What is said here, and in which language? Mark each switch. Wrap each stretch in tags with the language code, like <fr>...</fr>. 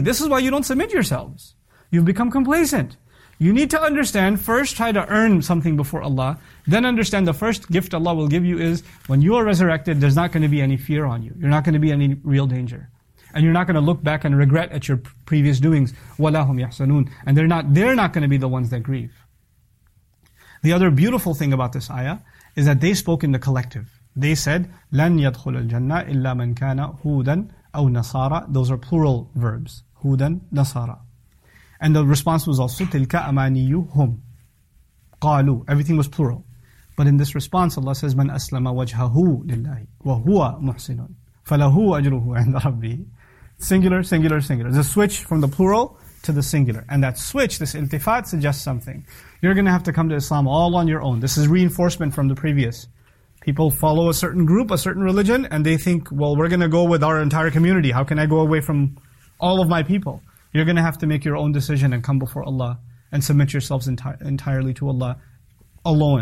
<en>This is why you don't submit yourselves. You've become complacent. You need to understand, first try to earn something before Allah, then understand the first gift Allah will give you is, when you are resurrected, there's not going to be any fear on you. You're not going to be any real danger. And you're not going to look back and regret at your previous doings.</en> <ar>وَلَا هُمْ يَحْسَنُونَ.</ar> <en>And they're not going to be the ones that grieve. The other beautiful thing about this ayah is that they spoke in the collective. They said,</en> <ar>لَنْ يَدْخُلَ الْجَنَّةِ إِلَّا مَنْ كَانَ هُودًا أَوْ نَصَارًا.</ar> <en>Those are plural verbs.</en> <ar>هُودًا نَصَارًا.</ar> <en>And the response was also,</en> <ar>تِلْكَ أَمَانِيُّهُمْ قَالُوا.</ar> <en>Everything was plural. But in this response, Allah says,</en> <ar>مَنْ أَسْلَمَ وَجْهَهُ لِلَّهِ وَهُوَ مُحْسِنٌ فَلَهُ أَجْرُهُ عِنْدَ رَبِّهِ.</ar> <en>Singular, singular, singular. The switch from the plural to the singular. And that switch, this iltifat, suggests something. You're going to have to come to Islam all on your own. This is reinforcement from the previous. People follow a certain group, a certain religion, and they think, well, we're going to go with our entire community. How can I go away from all of my people? You're going to have to make your own decision and come before Allah and submit yourselves entirely to Allah alone.</en>